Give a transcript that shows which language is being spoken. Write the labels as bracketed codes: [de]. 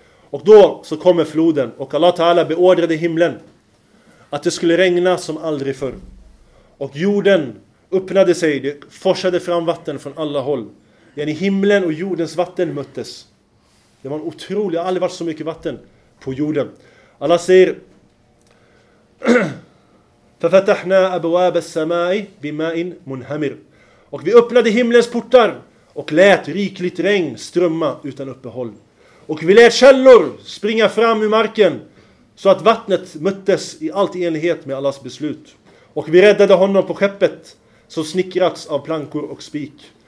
[sv] Och då så kommer floden och Allah ta'ala beordrade himlen att det skulle regna som aldrig förr. Och jorden öppnade sig, det forsade fram vatten från alla håll. Yani himlen och jordens vatten möttes. Det var en otrolig, det har aldrig varit så mycket vatten på jorden. Allah säger [ar] فَفَتَحْنَا أَبْوَابَ السَّمَاءِ بِمَاءٍ مُنْهَمِرٍ. [sv] Och vi öppnade himlens portar och lät rikligt regn strömma utan uppehåll. Och vi lät källor springa fram ur marken så att vattnet möttes i allt enlighet med Allahs beslut. Och vi räddade honom på skeppet som snickrats av plankor och spik.